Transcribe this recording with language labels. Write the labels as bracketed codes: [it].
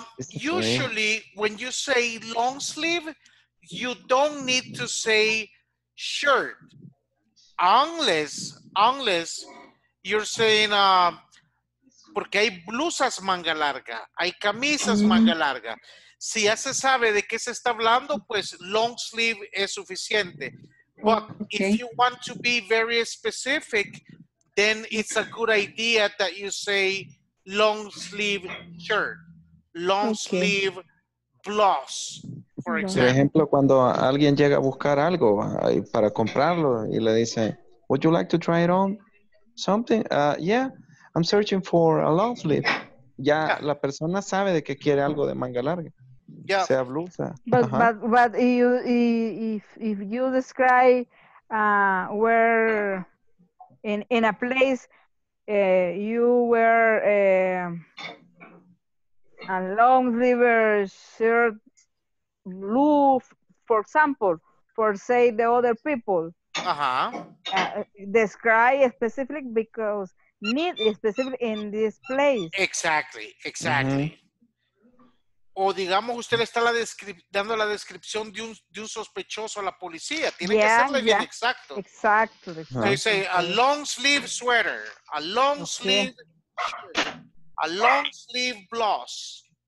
[en] Usually, when you say long sleeve, you don't need to say shirt, unless you're saying, [es] porque hay blusas manga larga, hay camisas manga larga. Si ya se sabe de qué se está hablando, pues long sleeve es suficiente. [en] But okay. If you want to be very specific, then it's a good idea that you say long sleeve shirt. Long sleeve blouse, for example. [es] Por ejemplo, cuando alguien llega a buscar algo para comprarlo y le dice, [en] would you like to try it on? [es] Something? [en] Yeah, I'm searching for a long sleeve. Ya yeah. [es] La persona sabe de que quiere algo de manga larga. [en] Yeah. [es] Sea blusa. [en] But uh-huh. but you, if you describe where in a place you were a long sleeve shirt, blue, for example, for say the other people. Uh-huh. Describe specific because need specific in this place. Exactly, exactly. [es] Mm-hmm. O digamos, usted está dando la descripción de un sospechoso a la policía. Tiene que hacerle bien exacto. [en] Exactly. Uh-huh. So you say a long sleeve sweater, a long sleeve shirt. A long sleeve blouse.